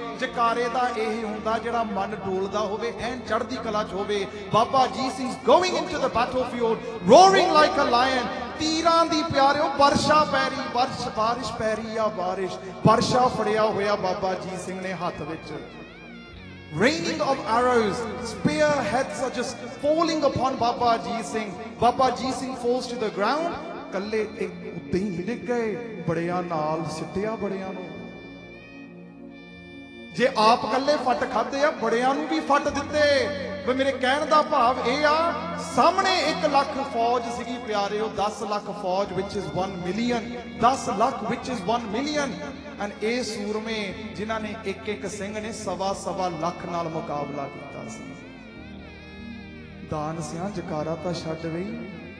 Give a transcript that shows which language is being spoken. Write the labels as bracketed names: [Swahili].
[Punjabi] ਜਕਾਰੇ ਦਾ ਇਹ ਹੁੰਦਾ ਜਿਹੜਾ ਮਨ ਡੋਲਦਾ ਹੋਵੇ ਐਨ ਚੜ੍ਹਦੀ ਕਲਾ 'ਚ ਹੋਵੇ ਬਾਬਾ ਜੀ ਸਿੰਘ [English] going into the battlefield roaring like a lion [Punjabi] ਤੀਰਾਂ ਦੀ ਪਿਆਰਿਓ ਵਰਸ਼ਾ ਪੈ ਰਹੀ ਬਾਰਿਸ਼ ਪੈ ਰਹੀ ਆ ਬਾਰਿਸ਼ ਵਰਸ਼ਾ ਫੜਿਆ ਹੋਇਆ ਬਾਬਾ ਜੀ ਸਿੰਘ ਨੇ ਹੱਥ ਵਿੱਚ [English] Raining of arrows, spear heads are just falling upon Baba Ji Singh. Baba Ji Singh falls to the ground. [Punjabi] ਕੱਲੇ ਤੇ ਉੱਤੇ ਹੀ ਡਿੱਗ ਗਏ ਬੜਿਆਂ ਨਾਲ ਸਿੱਟਿਆ ਬੜਿਆਂ ਨੂੰ ਜੇ ਆਪ ਕੱਲੇ ਫੱਟ ਖਾਧੇ ਆ ਬੜਿਆਂ ਨੂੰ ਵੀ ਫੱਟ ਦਿੱਤੇ ਵੀ ਮੇਰੇ ਕਹਿਣ ਦਾ ਭਾਵ ਇਹ ਆ ਸਾਹਮਣੇ 1 ਲੱਖ ਫੌਜ ਸੀਗੀ ਪਿਆਰੇ ਉਹ 10 ਲੱਖ ਫੌਜ ਵਿੱਚ ਇਜ਼ 1 ਮਿਲੀਅਨ 10 ਲੱਖ ਵਿੱਚ ਇਜ਼ 1 ਮਿਲੀਅਨ ਐਂਡ ਇਹ ਸੂਰਮੇ ਜਿਨ੍ਹਾਂ ਨੇ 1-1 ਸਿੰਘ ਨੇ 1.25 ਲੱਖ ਨਾਲ ਮੁਕਾਬਲਾ ਕੀਤਾ ਸੀ ਦਾਨ ਸਿਆਂ ਜਕਾਰਾ ਤਾਂ ਛੱਡ ਗਈ